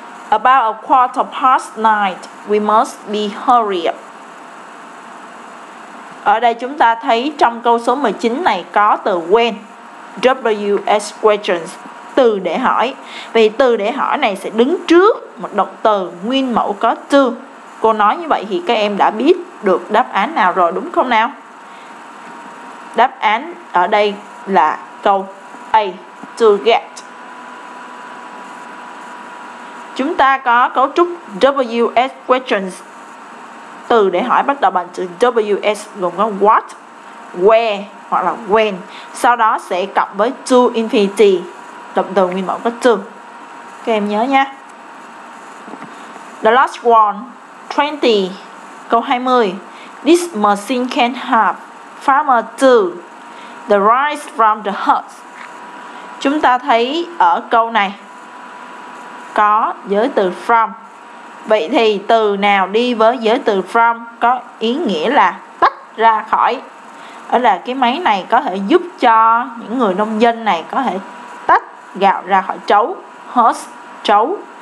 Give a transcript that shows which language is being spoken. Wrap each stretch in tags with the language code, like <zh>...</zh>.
<en>About a quarter past night, we must be hurry up.</en> <vi>Ở đây chúng ta thấy trong câu số 19 này có từ when, WS questions, từ để hỏi. Vì từ để hỏi này sẽ đứng trước một động từ nguyên mẫu có to. Cô nói như vậy thì các em đã biết được đáp án nào rồi đúng không nào? Đáp án ở đây là câu A, to get. Chúng ta có cấu trúc WS questions. Từ để hỏi bắt đầu bằng chữ WS gồm có what, where hoặc là when. Sau đó sẽ cộng với to infinity, động từ nguyên mẫu có to. Các em nhớ nha.</vi> <en>The last one,</en> <vi>20. Câu 20.</vi> <en>This machine can help farmer to the rice from the husk.</en> <vi>Chúng ta thấy ở câu này có giới từ from. Vậy thì từ nào đi với giới từ from có ý nghĩa là tách ra khỏi. Đó là cái máy này có thể giúp cho những người nông dân này có thể tách gạo ra khỏi trấu, husk, trấu.</vi>